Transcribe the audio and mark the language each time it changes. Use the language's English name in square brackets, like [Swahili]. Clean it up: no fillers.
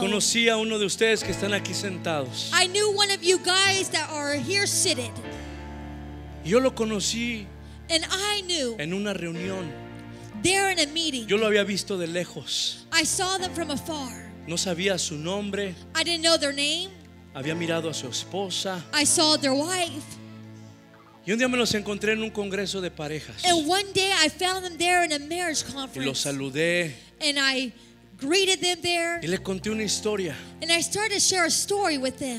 [Spanish] conocí a uno de ustedes que están aquí sentados [English] I knew one of you guys that are here seated [Spanish] yo lo conocí [English] and I knew [Spanish] en una reunión [English] there in a meeting [Spanish] yo lo había visto de lejos [English] I saw them from afar [Spanish] no sabía su nombre [English] I didn't know their name [Spanish] había mirado a su esposa. [English] I saw their wife. [Spanish] Y un día me los encontré en un congreso de parejas. [English] And one day I found them there in a marriage conference. [Spanish] Y los saludé. [English] And I greeted them there. [Spanish] Y le conté una historia. [English] And I started to share a story with them.